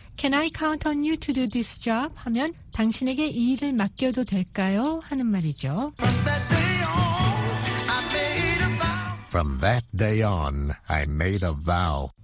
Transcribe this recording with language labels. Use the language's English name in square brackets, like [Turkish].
[English] Can I count on you to do this job? [Korean] 하면 당신에게 이 일을 맡겨도 될까요? 하는 말이죠. [English] From that day on, I made a vow. From that day on, I made a vow.